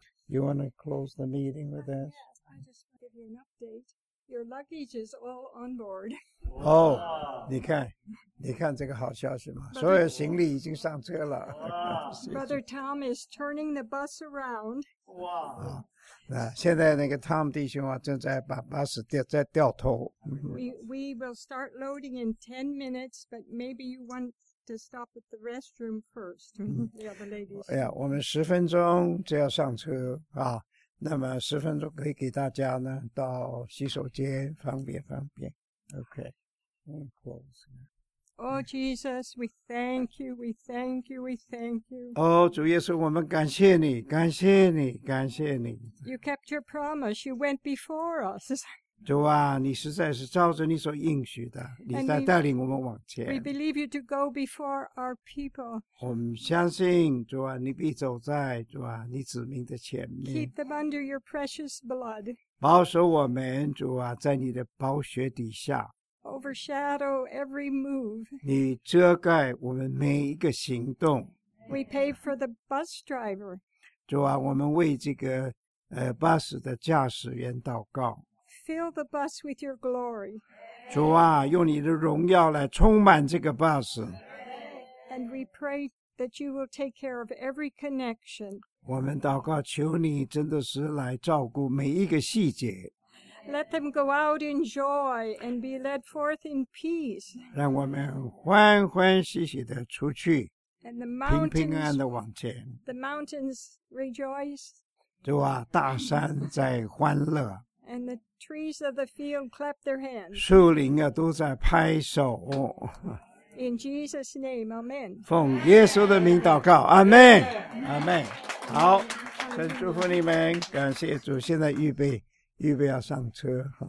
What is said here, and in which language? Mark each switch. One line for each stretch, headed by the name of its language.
English: You want to close the meeting with us? Yes, I just want to give you an update. Your luggage is all on board.
Chinese: 哦，你看，你看这个好消息嘛，所有行李已经上车了。
English: Brother Tom is turning the bus around. 哇！
Chinese: 那现在那个 Tom 弟兄啊，正在把巴士在掉头。
English: We will start loading in 10 minutes, but maybe you want to stop at the restroom first. The other ladies.
Chinese: 哎呀，我们十分钟就要上车啊，那么十分钟可以给大家呢到洗手间，方便方便。
English: Okay. Close. Oh Jesus, we thank you, we thank you, we thank you.
Chinese: Oh, 主耶稣，我们感谢你，感谢你，感谢你。
English: You kept your promise. You went before us.
Chinese: 主啊，你实在是照着你所应许的，你在带领我们往前。
English: We believe you to go before our people.
Chinese: 我们相信主啊，你必走在主啊你子民的前面。
English: Keep them under your precious blood.
Chinese: 保守我们主啊，在你的宝血底下。
English: Overshadow every move.
Chinese: 你遮盖我们每一个行动。
English: We pay for the bus driver.
Chinese: 主啊，我们为这个巴士的驾驶员祷告。
English: Fill the bus with your glory.
Chinese: 主啊，用你的荣耀来充满这个巴士。
English: And we pray that you will take care of every connection.
Chinese: 我们祷告，求你真的是来照顾每一个细节。
English: Let them go out in joy and be led forth in peace.
Chinese: 让我们欢欢喜喜地出去。
English: And the mountains,
Chinese: 平平安安地往前。
English: The mountains rejoice.
Chinese: 主啊，大山在欢乐。
English: And the trees of the field clap their hands.
Chinese: 树林啊，都在拍手。
English: In Jesus' name, amen.
Chinese: 奉耶稣的名祷告，阿门，阿门。好，神祝福你们，感谢主，现在预备。预备要上车。